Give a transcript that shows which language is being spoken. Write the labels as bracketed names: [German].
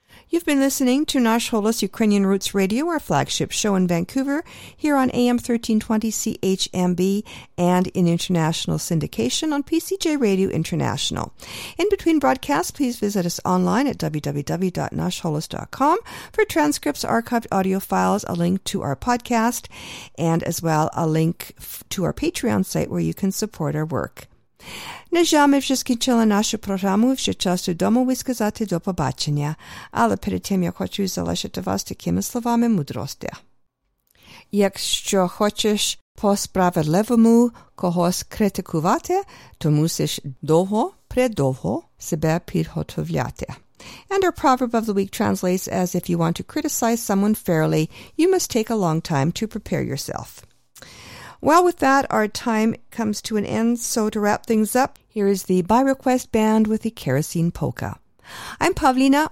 [English] You've been listening to Nash Holos Ukrainian Roots Radio, our flagship show in Vancouver, here on AM 1320 CHMB and in international syndication on PCJ Radio International. In between broadcasts, please visit us online at www.nashholos.com for transcripts, archived audio files, a link to our podcast, and as well a link to our Patreon site where you can support our work. [Ukrainian] Не жаль, ми вже скінчили нашу програму, вже час додому висказати до побачення. Але перед тим я хочу залишити вас такими словами мудрості. Якщо хочеш по-справедливому когось критикувати, то мусиш довго-предовго себе підготовляти. [English] And our proverb of the week translates as, if you want to criticize someone fairly, you must take a long time to prepare yourself. Well, with that, our time comes to an end. So to wrap things up, here is the By Request Band with the Kerosene Polka. I'm Pavlina.